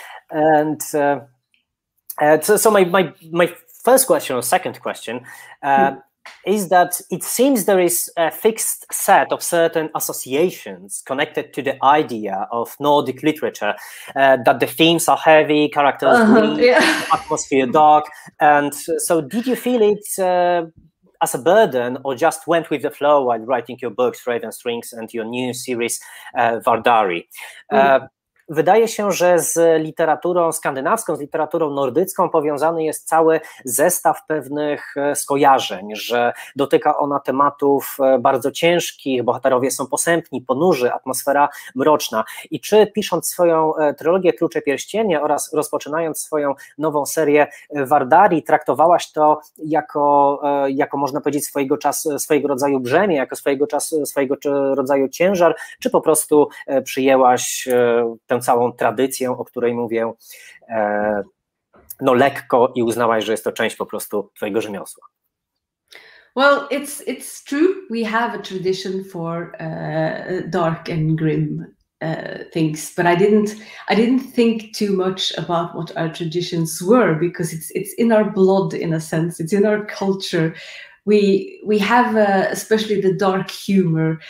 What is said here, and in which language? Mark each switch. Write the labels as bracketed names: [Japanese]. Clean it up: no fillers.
[English] And so my first question or second question is that it seems there is a fixed set of certain associations connected to the idea of Nordic literature, that the themes are heavy, characters atmosphere dark, and so did you feel it as a burden, or just went with the flow while writing your books, Raven Strings, and your new series, Vardari. Mm-hmm. [Polish] wydaje się, że z literaturą skandynawską, z literaturą nordycką powiązany jest cały zestaw pewnych skojarzeń, że dotyka ona tematów bardzo ciężkich, bohaterowie są posępni, ponurzy, atmosfera mroczna. I czy pisząc swoją trylogię Klucze Pierścienia oraz rozpoczynając swoją nową serię Vardarii, traktowałaś to jako można powiedzieć, swojego czasu, swojego rodzaju brzemię, jako swojego czasu, swojego rodzaju ciężar, czy po prostu przyjęłaś tę całą tradycję, o której mówię, no lekko i uznałaś, że jest to część po prostu twojego rzemiosła? [English] Well, it's true. We have a tradition for dark and grim things, but I didn't think too much about what our traditions were, because it's in our blood in a sense, it's in our culture. We have especially the dark humor.